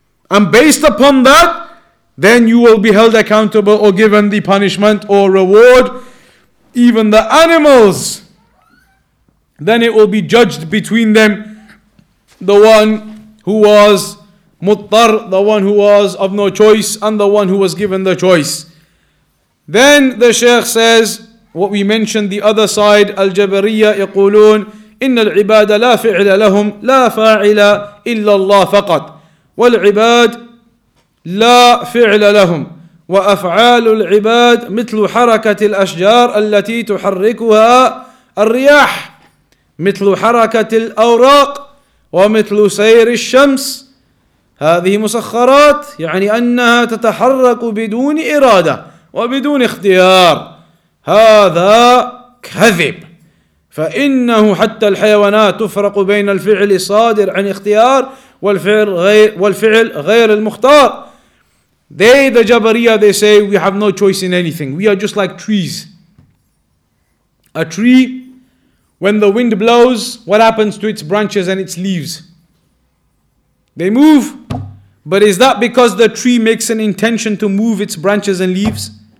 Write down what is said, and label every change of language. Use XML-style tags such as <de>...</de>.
<en>And based upon that, then you will be held accountable or given the punishment or reward. Even the animals, then it will be judged between them. The one who was muttar, the one who was of no choice, and the one who was given the choice. Then the Shaykh says, what we mentioned, the other side,</en> <ar>Al-Jabariyya, يقولون, إِنَّ الْعِبَادَ لَا فِعْلَ لَهُمْ لَا فَاعِلَ إِلَّا اللَّهِ فَقَدْ وَالْعِبَادَ لَا فِعْلَ لَهُمْ وَأَفْعَالُ الْعِبَادَ مِثْلُ حَرَكَةِ الْأَشْجَارِ الَّتِي تُحَرِّكُهَا الْرِيَاحِ مِثْلُ حَرَكَةِ الْأَوْرَاقِ ومثل سير الشمس هذه مسخرات يعني أنها تتحرك بدون إرادة وبدون اختيار هذا كذب فإنه حتى الحيوانات تفرق بين الفعل الصادر عن اختيار والفعل غير المختار.</ar> <en>They, the Jabariya, they say we have no choice in anything. We are just like trees. A tree, when the wind blows, what happens to its branches and its leaves? They move. But is that because the tree makes an intention to move its branches and leaves?</en>